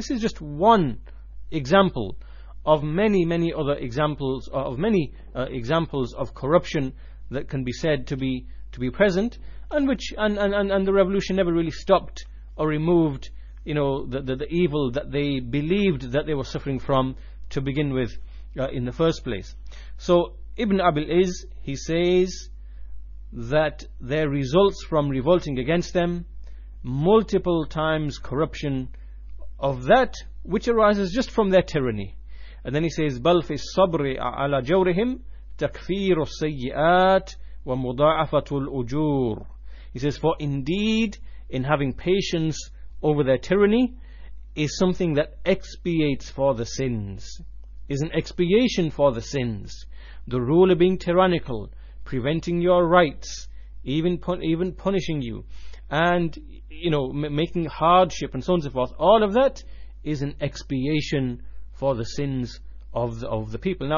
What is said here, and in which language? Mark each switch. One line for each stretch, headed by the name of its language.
English: This is just one example of many, many other examples of many examples of corruption that can be said to be present, and the revolution never really stopped or removed, you know, the evil that they believed that they were suffering from to begin with in the first place. So Ibn Abil Izz, he says that their results from revolting against them, multiple times corruption of that which arises just from their tyranny. And then he says,
Arabic: بَلْ فِي الصَّبْرِ عَلَى جَوْرِهِمْ تَكْفِيرُ السَّيِّئَاتِ وَمُضَاعَفَةُ الْأُجُورِ.
English: He says, for indeed, in having patience over their tyranny is something that expiates for the sins, is an expiation for the sins. The ruler being tyrannical, preventing your rights, even punishing you, and, you know, making hardship and so on and so forth, all of that is an expiation for the sins of the people.